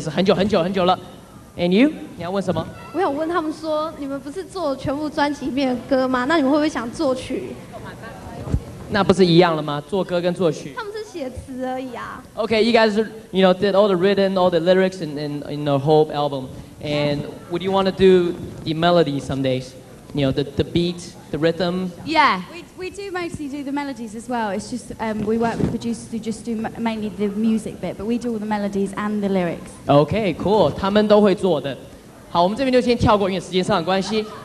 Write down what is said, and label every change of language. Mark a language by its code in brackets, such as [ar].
[zh] 他们在4年前就已经认识，4年前就成立这个团体，然后4年前他们就已经认识很久很久很久了。 [en] And you? [zh] 你要问什么？我想问他们说，你们不是做全部专辑里面的歌吗？那你们会不会想作曲？那不是一样了吗？作歌跟作曲。他们是写词而已啊。 [en] Okay, you guys, you know, did all the written, all the lyrics in the whole album. And would you want to do the melody some days? You know, the beat, the rhythm? Yeah. We do mostly do the melodies as well. It's just we work with producers who just do mainly the music bit, but we do all the melodies and the lyrics. Okay, cool. [zh] 他们都会做的。好，我们这边就先跳过，因为时间上的关系。